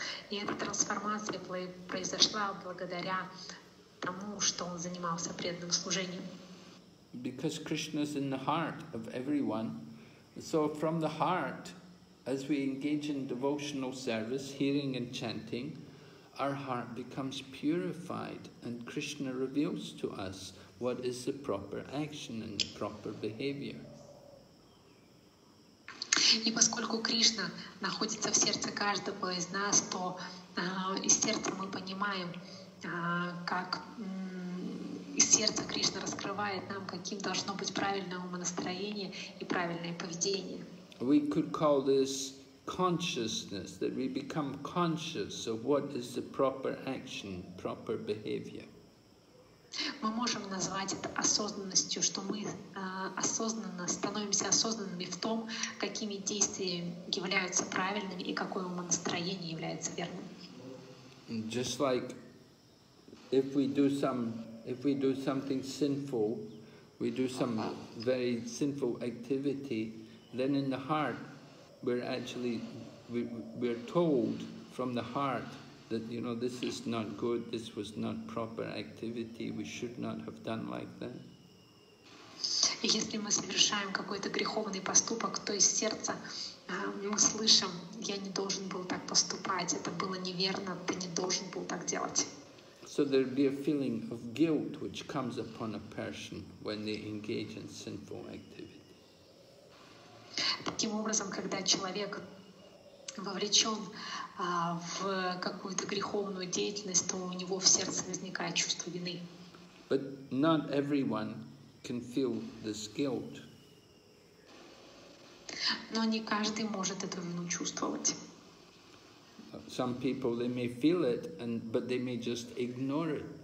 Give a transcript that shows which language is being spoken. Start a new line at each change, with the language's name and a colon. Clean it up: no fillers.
Russian: И эта трансформация произошла благодаря тому, что он занимался преданным служением.
English: Because Krishna is in the heart of everyone, so from the heart, as we engage in devotional service, hearing and chanting, our heart becomes purified and Krishna reveals to us what is the proper action and the proper behavior.
Russian: И поскольку Кришна находится в сердце каждого из нас, то из сердца мы понимаем, как из сердца Кришна раскрывает нам, каким должно быть правильное умонастроение и правильное поведение.
English: We could call this consciousness, that we become conscious of what is the proper action, proper behavior.
Russian: Мы можем назвать это осознанностью, что мы осознанно становимся осознанными в том, какими действия являются правильными и какое умонастроение является верным.
English: Just like if we do something sinful, we do some very sinful activity, then in the heart we're told from the heart that, you know, this is not good, this was not proper activity, we should not have done like that.
Russian: Если мы совершаем какой-то греховный поступок, то из сердца мы слышим, я не должен был так поступать, это было неверно, ты не должен был так делать.
English: So there be a feeling of guilt which comes upon a person when they engage in sinful activity.
Russian: Таким образом, когда человек вовлечен в какую-то греховную деятельность, то у него в сердце возникает чувство вины.
English: But not everyone can feel this guilt.
Russian: Но не каждый может эту вину чувствовать.
English: Some people, they may feel it, but they may just ignore it.